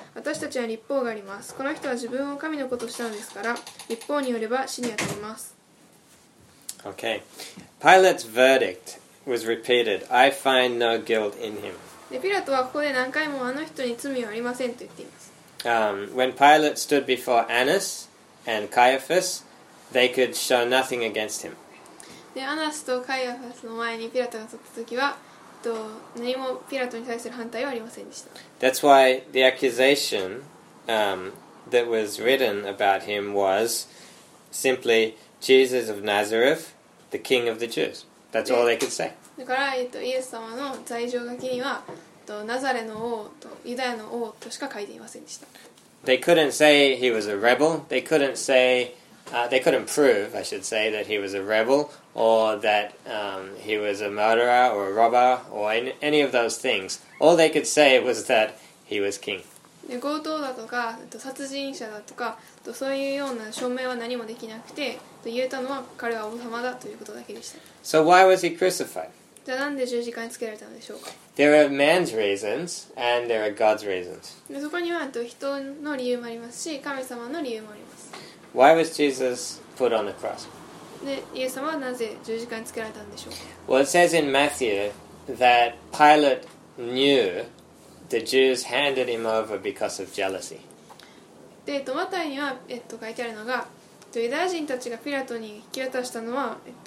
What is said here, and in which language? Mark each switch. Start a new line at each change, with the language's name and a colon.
Japanese: 私たちは律法があります。この人は自分を神の子としたのですから、律法によれば死に当たります。
English: Okay. Pilate's verdict was repeated. I find no guilt in him.
Japanese: でピラトはここで何回もあの人に罪はありませんと言っています。
English: When Pilate stood before Annas and Caiaphas, they could show nothing against him.
Japanese: で、アナスとカイアファスの前にピラトが立った時は、何もピラトに対する反対はありませんでした。
English: That's why the accusation, that was written about him was simply Jesus of Nazareth, the King of the Jews. That's all they could say.
Japanese: だから、イエス様の罪状書きにはナザレの王とユダヤの王としか書いていませんでした。
English: They couldn't say he was a rebel. They couldn't say, they couldn't prove, I should say, that he was a rebel or that he was a murderer or a robber or any of those things. All they could say was that he was king.
Japanese: 強盗だとか殺人者だとかそういうような証明は何もできなくて、言えたのは彼は王様だということだけでした。
English: So why was he crucified?
Japanese: じゃあなんで十字架につけられたのでしょうか?
English: There are man's reasons and there are God's reasons.
Japanese: そこには人の理由もありますし、神様の理由もあります。
English: Why was Jesus put put on the cross.
Japanese: で、イエス様はなぜ十字架につけられたんでしょう?
English: Well, it says in Matthew that Pilate knew the Jews handed him over because of jealousy.
Japanese: で、マタイには、書いてあるのが、ユダヤ人たちがピラトに引き渡したのは、